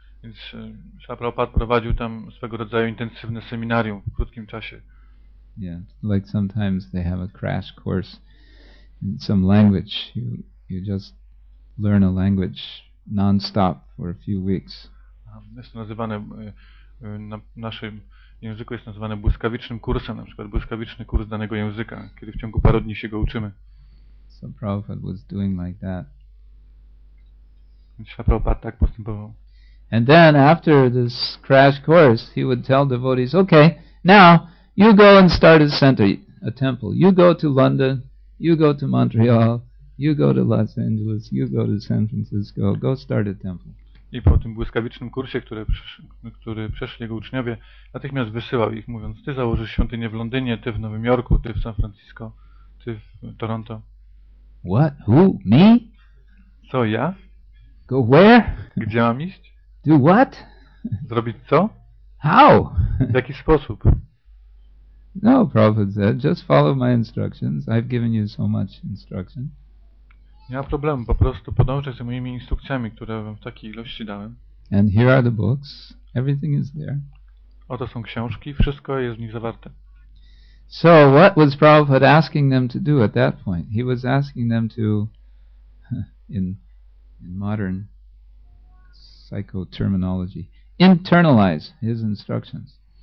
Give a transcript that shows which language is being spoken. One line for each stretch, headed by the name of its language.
Polish: Więc Śrila Prabhupada prowadził tam swego rodzaju intensywne seminarium w krótkim czasie.
English: Yeah, like sometimes they have a crash course in some language. You just learn a language non-stop for a few weeks.
Polish: Jest to nazywane, w naszym języku jest nazywane błyskawicznym kursem, na przykład błyskawiczny kurs danego języka, kiedy w ciągu paru dni się go uczymy.
English: So Prabhupada was doing like that.
Polish: Śrila Prabhupada tak postępował.
English: And then after this crash course, he would tell devotees, okay, now you go and start a center, a temple. You go to London, you go to Montreal, you go to Los Angeles, you go to San Francisco, go start a temple.
Polish: I po tym błyskawicznym kursie, który przeszli jego uczniowie, natychmiast wysyłał ich, mówiąc, ty założysz świątynię w Londynie, ty w Nowym Jorku, ty w San Francisco, ty w Toronto.
English: What? Who? Me?
Polish: Co, ja?
English: Go where?
Polish: Gdzie mam iść?
English: Do what?
Polish: Zrobić co?
English: How?
Polish: W jaki sposób?
English: No, Prabhupada said, just follow my instructions. I've given you so much instruction.
Polish: Nie ma problemu, po prostu podążaj za moimi instrukcjami, które wam w takiej ilości dałem.
English: And here are the books. Everything is there.
Polish: Oto są książki, wszystko jest w nich zawarte.
English: So, what was Prabhupada asking them to do at that point? He was asking them to, in modern psychoterminology, internalize his instructions.